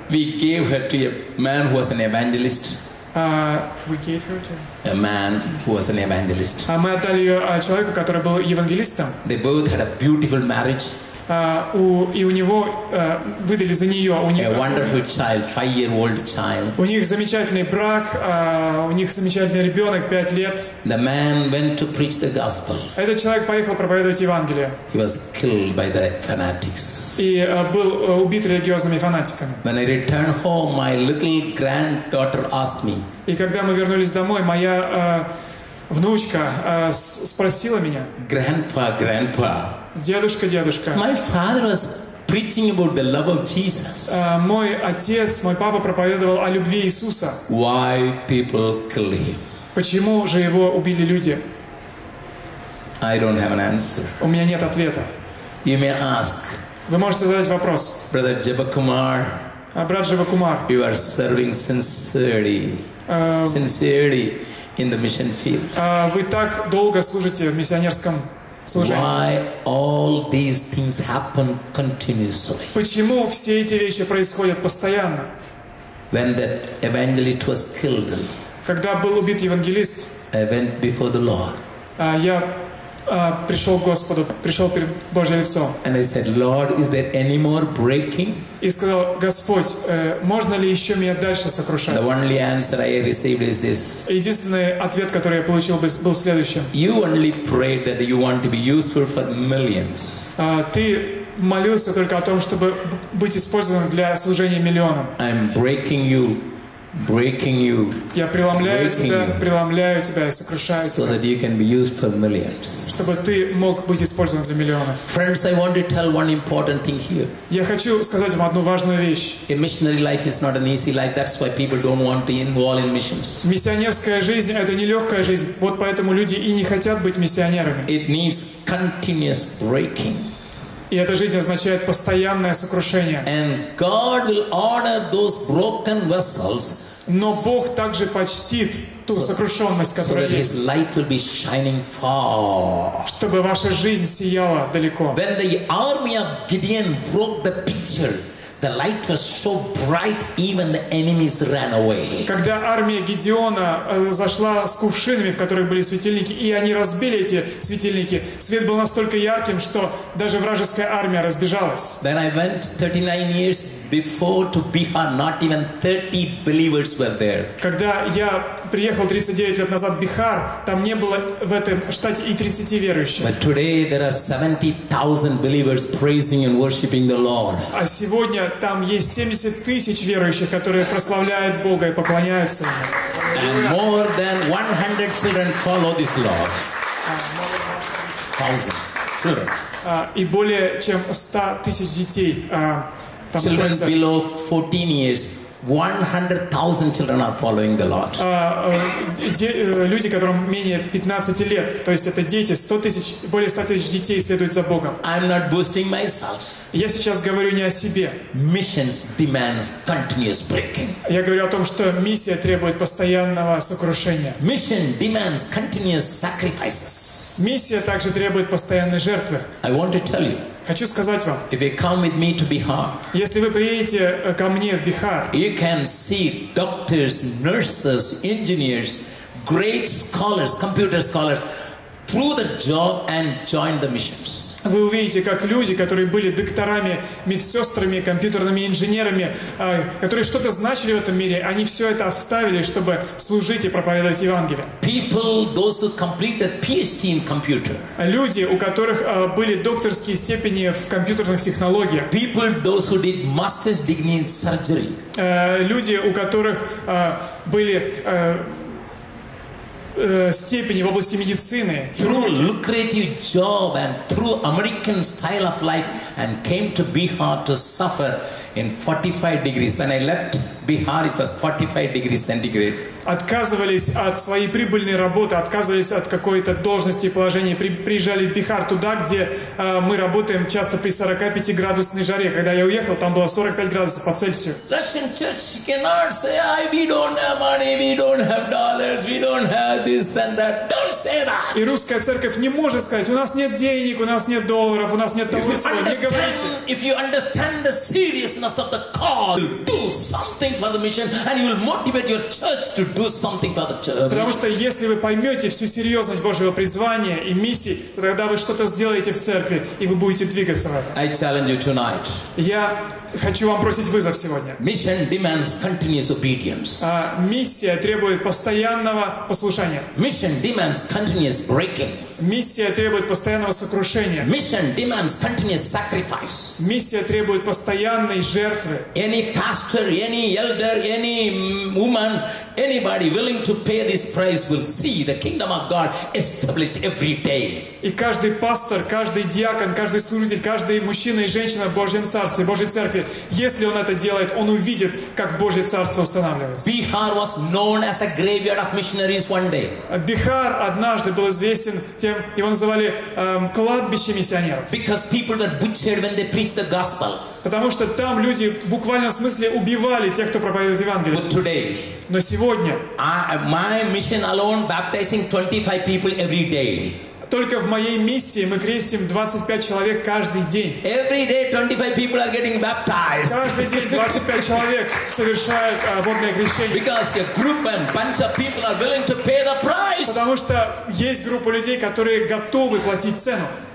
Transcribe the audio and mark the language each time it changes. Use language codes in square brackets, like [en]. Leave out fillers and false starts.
[en] We gave her to a man who was an evangelist. A man who was an evangelist. [ru] Мы отдали ее человеку, который был евангелистом. [en] They both had a beautiful marriage. [ru] Выдали за нее. [en] A wonderful child, 5-year-old child. [ru] У них замечательный брак, у них замечательный ребенок, 5 лет. [en] The man went to preach the gospel. [ru] Этот человек поехал проповедовать Евангелие. [en] He was killed by the fanatics. [ru] И был убит религиозными фанатиками. [en] When I returned home, my little granddaughter asked me. [ru] И когда мы вернулись домой, моя внучка спросила меня. [en] Grandpa, grandpa. [ru] Дедушка, дедушка. [en] My father was preaching about the love of Jesus. [ru] Мой отец, мой папа проповедовал о любви Иисуса. [en] Why people kill him? [ru] Почему же его убили люди? [en] I don't have an answer. [ru] У меня нет ответа. [en] You may ask. [ru] Вы можете задать вопрос. [en] Brother Jebakumar. [ru] Брат Джебакумар. [en] You are serving sincerely. Sincerely in the mission field. [ru] Вы так долго служите в миссионерском. [en] Why all these things happen continuously? [ru] Почему все эти вещи происходят постоянно? [en] When that evangelist was killed. [ru] Когда был убит евангелист. [en] I went before the Lord. [ru] Я пришел к Господу, пришел перед Божьим лицом. [en] And I said, Lord, is there any more breaking? [ru] И сказал, Господь, можно ли еще меня дальше сокрушать? [en] The only answer I received is this. [ru] Единственный ответ, который я получил, был следующим. [en] You only prayed that you want to be useful for millions. [ru] Ты молился только о том, чтобы быть использованным для служения миллионам. [en] I'm breaking you. Breaking you, [ru] я преломляю [en] breaking [ru] тебя, [en] you, [ru] преломляю тебя и сокрушаю [en] so [ru] тебя, [en] that you can be used for millions. [ru] Чтобы ты мог быть использован для миллионов. [en] Friends, I want to tell one important thing here. [ru] Я хочу сказать вам одну важную вещь. [en] A missionary life is not an easy life. That's why people don't want to involve in missions. [ru] Миссионерская жизнь — это нелегкая жизнь. Вот поэтому люди и не хотят быть миссионерами. [en] It needs continuous breaking. [ru] И эта жизнь означает постоянное сокрушение. [en] And God will honor those broken vessels. [ru] Но Бог также почтит ту сокрушенность, которая есть. [en] So that His light will be shining far. [ru] Чтобы ваша жизнь сияла далеко. [en] When the army of Gideon broke the pitcher, the light was so bright, even the enemies ran away. [ru] Когда армия Гедеона зашла с кувшинами, в которых были светильники, и они разбили эти светильники, свет был настолько ярким, что даже вражеская армия разбежалась. [en] Then I went 39 years before to Bihar. Not even 30 believers were there. [ru] Когда я приехал 39 лет назад в Бихар, там не было в этом штате и 30 верующих. [en] But today there are 70,000 believers praising and worshiping the Lord. [ru] А сегодня там есть 70 тысяч верующих, которые прославляют Бога и поклоняются Ему. [en] And more than 100 children follow this Lord. 1,000 children. [ru] И более чем 100 тысяч детей. [en] Children below 14 years. 100,000 children are following the Lord. [ru] Люди, которым менее 15 лет, то есть это дети, 100 тысяч, более 100 тысяч детей следуют за Богом. [en] I'm not boasting myself. [ru] Я сейчас говорю не о себе. [en] Missions demands continuous breaking. [ru] Я говорю о том, что миссия требует постоянного сокрушения. [en] Mission demands continuous sacrifices. [ru] Миссия также требует постоянной жертвы. [en] I want to tell you. [ru] Хочу сказать вам. [en] If you come with me to Bihar. [ru] Если вы приедете ко мне в Бихар. [en] You can see doctors, nurses, engineers, great scholars, computer scholars, through the job and join the missions. [ru] Вы увидите, как люди, которые были докторами, медсестрами, компьютерными инженерами, которые что-то значили в этом мире, они все это оставили, чтобы служить и проповедовать Евангелие. [en] People, those who completed PhD in computer. [ru] Люди, у которых были докторские степени в компьютерных технологиях. [en] People, those who did master's degree in surgery. [ru] Люди, у которых были степени в области медицины. [en] Through lucrative job and through American style of life and came to Bihar to suffer in 45 degrees. When I left Bihar, it was 45 degrees centigrade. [ru] Отказывались от своей прибыльной работы, отказывались от какой-то должности и положения, приезжали в Бихар, туда, где мы работаем часто при 45 градусной жаре. Когда я уехал, там было 45 градусов по Цельсию. [en] Russian church cannot say, we don't have money, we don't have dollars, we don't have this and that. Don't say that! [ru] И русская церковь не может сказать, у нас нет денег, у нас нет долларов, у нас нет того и всего. Не говорите. [en] If you understand the seriousness of the call, do something for the mission and you will motivate your church to do something for the church. [ru] Потому что если вы поймете всю серьезность Божьего призвания и миссии, то тогда вы что-то сделаете в церкви, и вы будете двигаться в этом. [en] I challenge you tonight. [ru] Я хочу вам бросить вызов сегодня. [en] Mission demands continuous obedience. [ru] Миссия требует постоянного послушания. [en] Mission demands continuous breaking. [ru] Миссия требует постоянного сокрушения. [en] Mission demands continuous sacrifice. [ru] Миссия требует постоянной жертвы. [en] Any pastor, any elder, any woman, anybody willing to pay this price will see the kingdom of God established every day. [ru] И каждый пастор, каждый диакон, каждый служитель, каждый мужчина и женщина в Божьем царстве, Божьей церкви, если он это делает, он увидит, как Божье царство устанавливается. [en] Bihar was known as a graveyard of missionaries one day. [ru] Бихар однажды был известен тем, его называли кладбище миссионеров. [en] Because people were butchered when they preached the gospel. [ru] Потому что там люди в буквальном смысле убивали тех, кто проповедует Евангелие. [en] But today, [ru] но сегодня, [en] my mission alone baptizing 25 people every day. [ru] Только в моей миссии мы крестим 25 человек каждый день. [en] Every day 25 people are getting baptized. [ru] Каждый день 25 человек совершают водное крещение. [en] Because a group and bunch of people are willing to pay the price. [ru] Потому что есть группа людей, которые готовы платить цену.